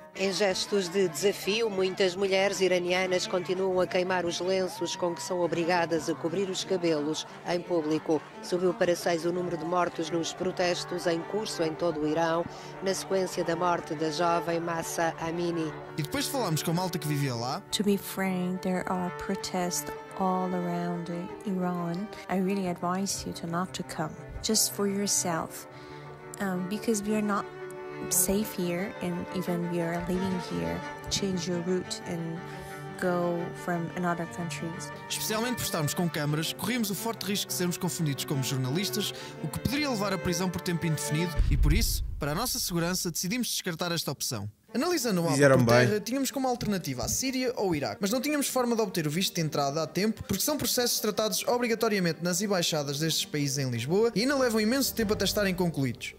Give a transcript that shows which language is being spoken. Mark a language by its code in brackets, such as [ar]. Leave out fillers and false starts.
[pt] Em gestos de desafio, muitas mulheres iranianas continuam a queimar os lenços com que são obrigadas a cobrir os cabelos em público. Subiu para 6 o número de mortos nos protestos em curso em todo o Irão, na sequência da morte da jovem Mahsa Amini. E depois falámos com a malta que vivia lá. [en] To be frank, there are protests all around Iran. I really advise you to not to come, just for yourself, because we are not safe here, and even we are living here, change your route and go from another country. [pt] Especialmente por estarmos com câmaras, corremos o forte risco de sermos confundidos como jornalistas, o que poderia levar à prisão por tempo indefinido, e por isso, para a nossa segurança, decidimos descartar esta opção. Analisando o mapa por terra, tínhamos como alternativa a Síria ou o Iraque, mas não tínhamos forma de obter o visto de entrada a tempo, porque são processos tratados obrigatoriamente nas embaixadas destes países em Lisboa e ainda levam imenso tempo até estarem concluídos.